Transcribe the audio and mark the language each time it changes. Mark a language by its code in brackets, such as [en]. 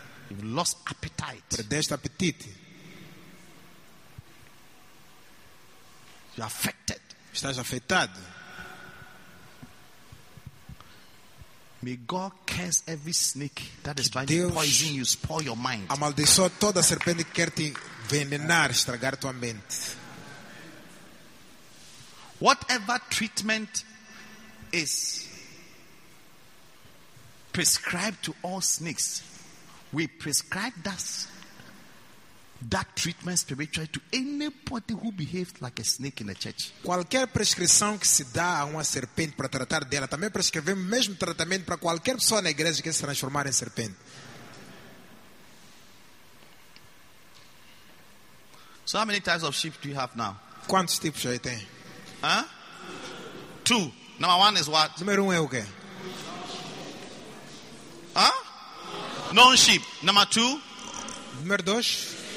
[en] You've lost appetite. [pt] Perdeste apetite. [en] You're affected. [pt] Estás afetado. [en] May God curse every snake that is trying to poison you, spoil your mind. [pt] Amaldiçoa toda a serpente que quer te envenenar, estragar tua mente. [en] Whatever treatment is prescribed to all snakes, we prescribe that treatment spiritually to anybody who behaves like a snake in the church. [pt] Qualquer prescrição que se dá a uma serpente para tratar dela, também prescrevemos o mesmo tratamento para qualquer pessoa na igreja que se transformar em serpente. [en] So how many types of sheep do you have now? [pt] Quantos tipos aí tem? [en] Huh? Two. Number one is what? [pt] Número um é o quê? [en] Huh? Non-sheep. Number two. [pt] Número dois.